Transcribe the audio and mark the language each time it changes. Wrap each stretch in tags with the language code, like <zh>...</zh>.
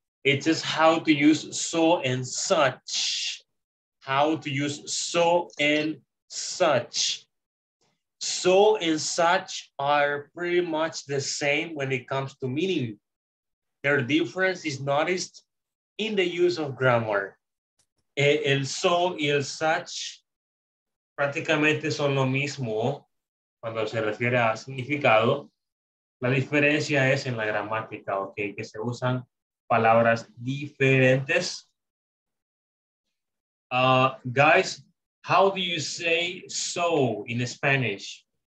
<en>It is how to use so and such. How to use so and such. So and such are pretty much the same when it comes to meaning. Their difference is noticed in the use of grammar.</en> <es>El so y el such prácticamente son lo mismo. Cuando se refiere a significado, la diferencia es en la gramática, ok, que se usan palabras diferentes.</es> <en>Guys, how do you say so in Spanish?</en>